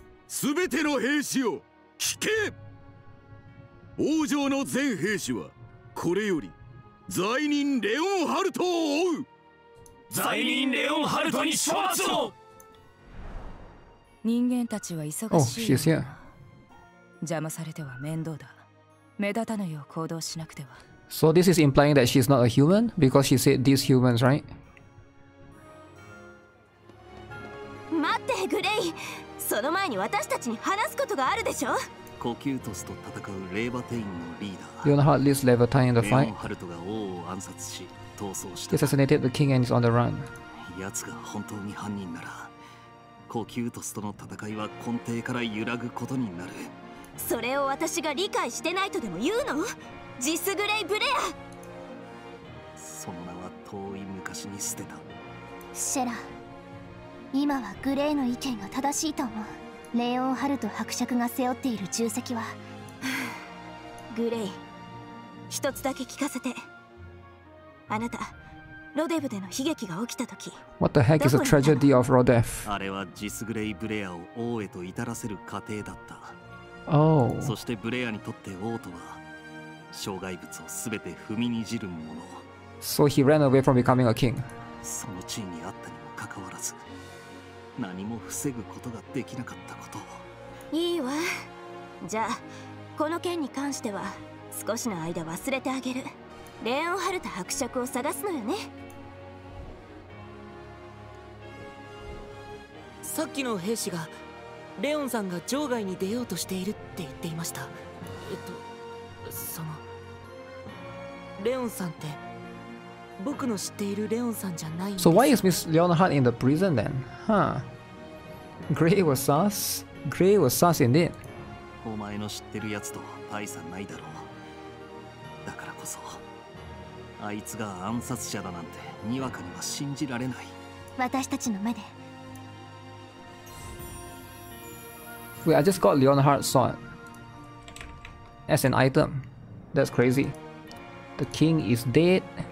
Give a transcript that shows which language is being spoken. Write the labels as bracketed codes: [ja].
[ja] すべての兵士よ、聞け。王城の全兵士はこれより罪人レオンハルトを追う。罪人レオンハルトに処罰を。人間たちは忙しい。邪魔されては面倒だ。目立たぬよう行動しなくては。 [en] So this is implying that she's not a human because she said these humans, right? [ja] 待って、グレイ。その前に私たちに話すことがあるでしょ。コキュートスと戦うレーバテインのリーダー。 [en] You know how this [ja] レーバテインの戦い？レオンハルトが王を暗殺し逃走した。 [en] Assassinated the king and is on the run。 [ja] 奴が本当に犯人なら、コキュートスとの戦いは根底から揺らぐことになる。それを私が理解してないとでも言うの？ジスグレイ・ブレア。その名は遠い昔に捨てた。シェラ、今はグレイの意見が正しいと思う。レオンハルト伯爵が背負っている重責は。グレイ、一つだけ聞かせて。あなた、ロデブでの悲劇が起きた時、 [en] What the heck is a tragedy of Rodef? [ja] あれはジスグレイ・ブレアを王へと至らせる過程だった。そしてブレアにとって王とは障害物をすべて踏みにじるもの。 [en] So he ran away from becoming a king. [ja] その地位にあったにもかかわらず何も防ぐことができなかったことを。いいわ。じゃあこの件に関しては少しの間忘れてあげる。レオンハルト伯爵を探すのよね。さっきの兵士がレオンさんが城外に出ようとしているって言っていました。そのレオンさんって僕の知っているレオンさんじゃないんです。 [en] So why is Miss Leonhard in the prison then? Huh? Gray was sus. Gray was sus indeed. [ja] お前の知ってるやつと大差ないだろう。だからこそあいつが暗殺者だなんてにわかには信じられない。私たちの目で。 [en] Wait, I just got Leonhard's sword as an item. That's crazy. The king is dead.